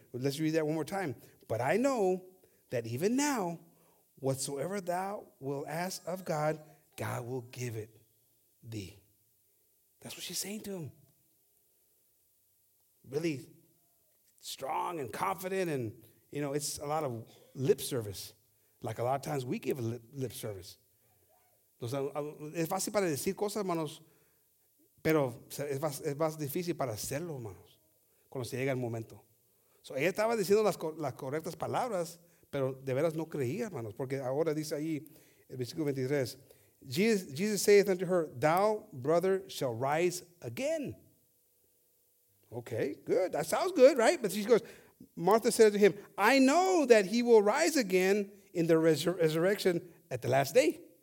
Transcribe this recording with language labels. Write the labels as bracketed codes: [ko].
[en] Let's read that one more time. But I know that even now, whatsoever thou wilt ask of God, God will give it thee. That's what she's saying to him. Really strong and confident, and you know, it's a lot of lip service. Like a lot of times we give lip service. [es] Es fácil para decir cosas, hermanos, pero es más difícil para hacerlo, hermanos, cuando se llega el momento. So ella estaba diciendo las correctas palabras, pero de veras no creía, hermanos, porque ahora dice ahí, el versículo 23, [en] Jesus saith unto her, thou, brother, shall rise again. Okay, good. That sounds good, right? But she goes, Martha said to him, I know that he will rise again in the resurrection at the last day.